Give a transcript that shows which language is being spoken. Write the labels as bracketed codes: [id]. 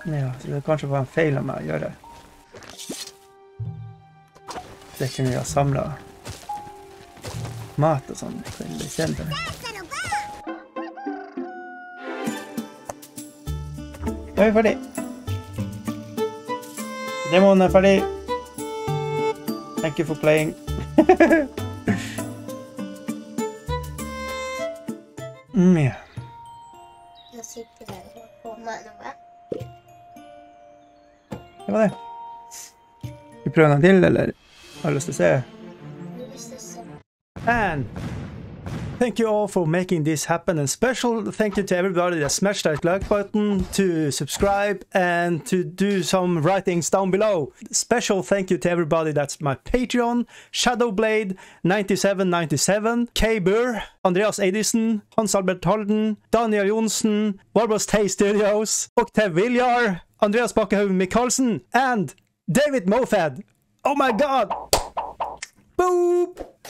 [no] Ja, så det kanskje var en feil av meg å gjøre. [sv] det kan jag samla mat och sånt till exempel. Jag är färdig. Demon är färdig. [en] Thank you for playing. [sv] Mm, ja. Jag sitter där och kommer nu, va? Det var det. Vi prövar någon till, eller? Har du lust att se? [en] And thank you all for making this happen, and special thank you to everybody that smashed that like button, to subscribe, and to do some writings down below. Special thank you to everybody that's my Patreon, Shadowblade, 9797, K-Burr, Andreas Edison, Hans Albert Holden, Daniel Jonsson, Warbos Tay Studios, Octave Villar, Andreas Bakkehoven Mikkelsen, and David Mofad. Oh my god! Boop!